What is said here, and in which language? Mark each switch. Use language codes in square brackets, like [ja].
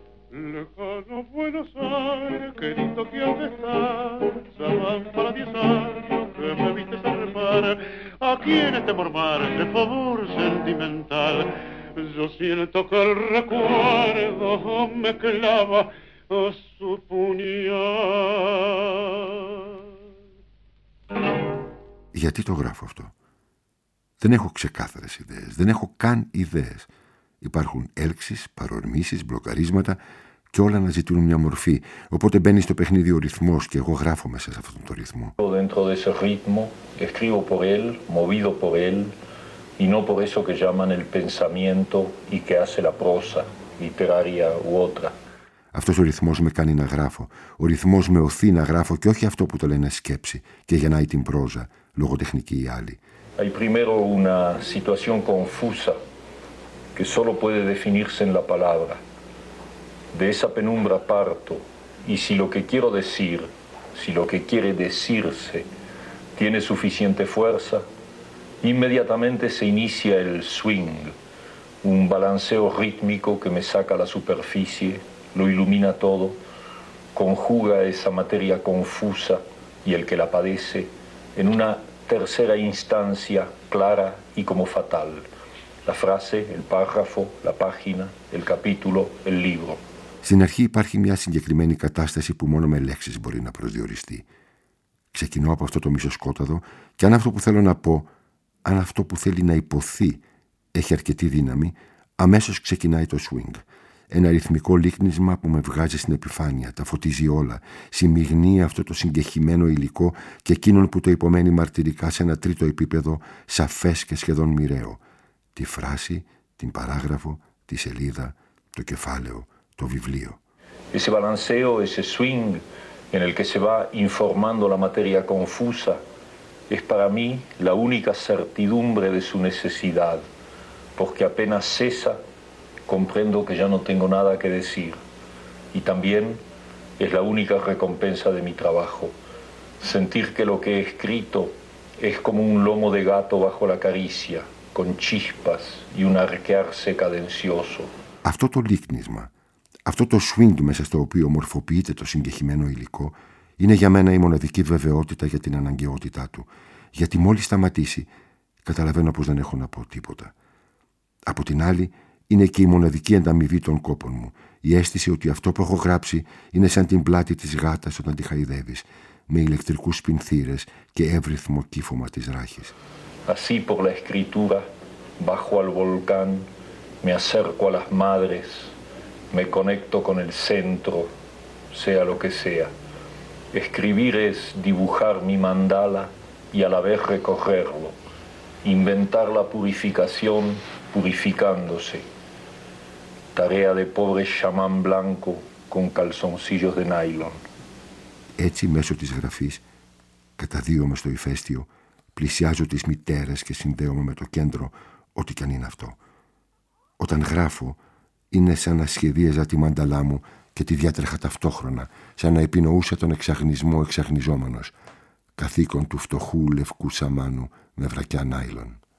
[es] Lejano Buenos Aires, qué lindo que has de estar, ya van para 10 años que me viste zarpar. Aquí en este mormar de favor sentimental, yo siento que el recuerdo me clava a su puñal. [el] Γιατί το γράφω αυτό? Δεν έχω ξεκάθαρες ιδέες, δεν έχω καν ιδέες. Υπάρχουν έλξεις, παρορμήσεις, μπλοκαρίσματα και όλα να ζητούν μια μορφή. Οπότε μπαίνει στο παιχνίδι ο ρυθμός και εγώ γράφω μέσα σε αυτόν τον ρυθμό. [es] Dentro de ese ritmo, escribo por él, movido por él, y no por eso que llaman el pensamiento y que hace la prosa, literaria u otra. [el] Αυτός ο ρυθμός με κάνει να γράφω. Ο ρυθμός με οθεί να γράφω και όχι αυτό που το λένε σκέψη και γεννάει την πρόζα, λογοτεχνική ή άλλη. [es] Hay primero una situación confusa que solo puede definirse en la palabra. De esa penumbra parto y si lo que quiero decir, si lo que quiere decirse tiene suficiente fuerza, inmediatamente se inicia el swing, un balanceo rítmico que me saca la superficie, lo ilumina todo, conjuga esa materia confusa y el que la padece en una tercera instancia clara y como fatal. La frase, el párrafo, la página, el capítulo, el libro. [el] Στην αρχή υπάρχει μια συγκεκριμένη κατάσταση που μόνο με λέξεις μπορεί να προσδιοριστεί. Ξεκινώ από αυτό το μισοσκόταδο και αν αυτό που θέλω να πω, αν αυτό που θέλει να υποθεί έχει αρκετή δύναμη, αμέσως ξεκινάει το swing. Ένα ρυθμικό λίκνισμα που με βγάζει στην επιφάνεια, τα φωτίζει όλα, συμμιγνύει αυτό το συγκεχημένο υλικό και εκείνον που το υπομένει μαρτυρικά σε ένα τρίτο επίπεδο, σαφές και σχεδόν μοιραίο. Τη φράση, την παράγραφο, τη σελίδα, το κεφάλαιο, το βιβλίο. [es] Ese balanceo, ese swing, en el que se va informando la materia confusa, es para mí la única certidumbre de su necesidad, porque apenas cesa. Comprendo que ya no tengo nada que decir. Y también es la única recompensa de mi trabajo. Sentir que lo que he escrito es como un lomo de gato bajo la caricia, con chispas y un arquearse cadencioso. [el] Αυτό το λίκνισμα, αυτό το swing μέσα στο οποίο μορφοποιείται το συγκεχημένο υλικό, είναι για μένα η μοναδική βεβαιότητα για την αναγκαιότητά του. Γιατί μόλις σταματήσει, καταλαβαίνω πως δεν έχω να πω τίποτα. Από την άλλη, είναι και η μοναδική ανταμοιβή των κόπων μου. Η αίσθηση ότι αυτό που έχω γράψει είναι σαν την πλάτη της γάτας όταν τη χαϊδεύεις, με ηλεκτρικούς πινθήρες και εύρυθμο κύφωμα της ράχης. [es] Así por la escritura, bajo al volcán, me acerco a las madres, me conecto con el centro, sea lo que sea. Escribir es dibujar mi mandala y a la vez recorrerlo. Inventar la purificación purificándose. Tarea de pobre chamán blanco con calzoncillos de nylon. [el] Έτσι, μέσω της γραφής, καταδύομαι στο ηφαίστειο, πλησιάζω τις μητέρες και συνδέομαι με το κέντρο, ό,τι κι αν είναι αυτό. Όταν γράφω, είναι σαν να σχεδίαζα τη μανταλά μου και τη διάτρεχα ταυτόχρονα, σαν να επινοούσα τον εξαγνισμό εξαγνιζόμενος, καθήκον του φτωχού λευκού σαμάνου με βρακιά νάιλον.